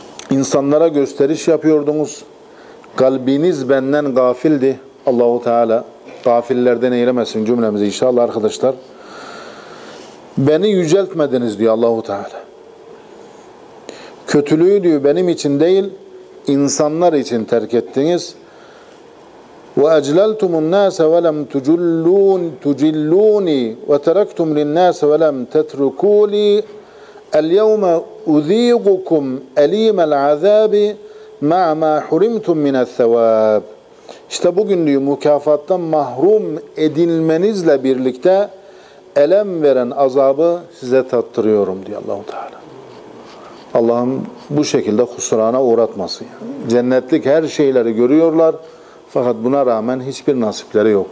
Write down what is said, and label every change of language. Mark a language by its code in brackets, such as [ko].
[tr] İnsanlara gösteriş yapıyordunuz. Kalbiniz benden gafildi. Allah-u Teala gafillerden eylemesin cümlemizi inşallah arkadaşlar. Beni yüceltmediniz diyor Allah-u Teala. Kötülüğü diyor benim için değil, insanlar için terk ettiniz. [ar] وأجللتم الناس ولم تجلون تجلوني وتركتم للناس ولم تتركوني اليوم أذيقكم أليم العذاب مع ما حرمتم من الثواب. [tr] İşte bugün diyor mükafattan mahrum edilmenizle birlikte elem veren azabı size tattırıyorum diyor Allah-u Teala. Allah'ım bu şekilde kusurana uğratmasın. Yani. Cennetlik her şeyleri görüyorlar fakat buna rağmen hiçbir nasipleri yok.